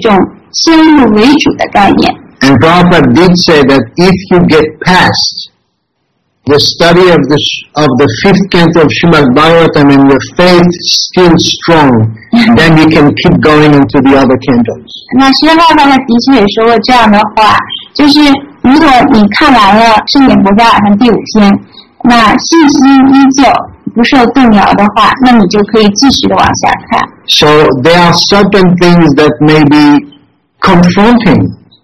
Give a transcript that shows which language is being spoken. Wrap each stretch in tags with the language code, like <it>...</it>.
<zh>那换句话说，就是说，在你的这个小小的脑袋里面呢，已经对这个宇宙的这个状况有一种先入为主的概念。</zh> <en>And Prabhupada did say that if you get past the study of the fifth canto of Srimad Bhagavatam and your faith still strong, then you can keep going into the other cantos.</en> <zh>那希腊大法的确也说过这样的话，就是如果你看完了圣严伯嘎尔上第五篇，那信心依旧不受动摇的话，那你就可以继续的往下看。</zh> <en>So there are certain things that may be confronting.</en>